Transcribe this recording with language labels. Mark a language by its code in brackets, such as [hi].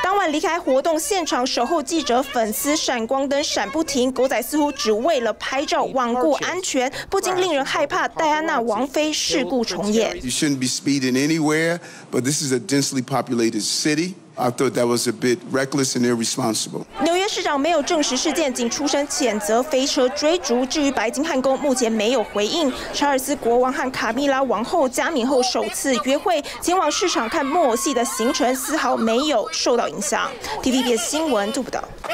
[zh] 离开活动现场，守候记者粉丝闪光灯闪不停，狗仔似乎只为了拍照罔顾安全，不禁令人害怕戴安娜王妃事故重演。 [en] You shouldn't be speeding anywhere, but this is a densely populated city. I thought that was a bit reckless and irresponsible. [zh] 纽约市长没有证实事件，仅出声谴责飞车追逐。至于白金汉宫目前没有回应。查尔斯国王和卡米拉王后加冕后首次约会，前往市场看木偶戏的行程丝毫没有受到影响。 TVBS 新闻做不到。